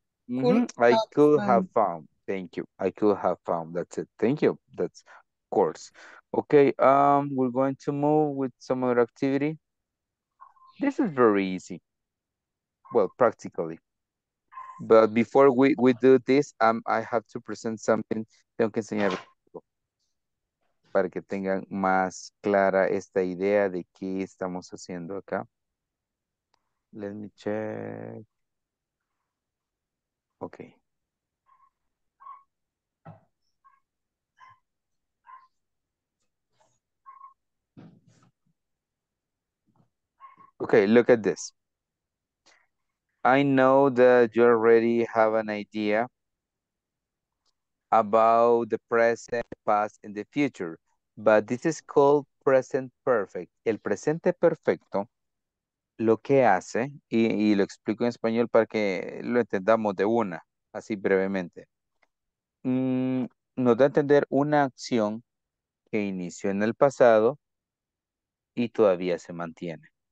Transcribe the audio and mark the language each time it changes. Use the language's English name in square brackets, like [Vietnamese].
[English] Mm-hmm. Could I could have found. Thank you. I could have found. That's it. Thank you. That's of course. Okay. We're going to move with some other activity. This is very easy. Well, practically. But before we do this, I have to present something. [Spanish] Tengo que enseñar para que tengan más clara esta idea de qué estamos haciendo acá. [English] Let me check. Okay. Okay, look at this. I know that you already have an idea about the present, past, and the future, but this is called present perfect. [Spanish] El presente perfecto lo que hace, y lo explico en español para que lo entendamos de una, así brevemente. Nos da a entender una acción que inició en el pasado y todavía se mantiene.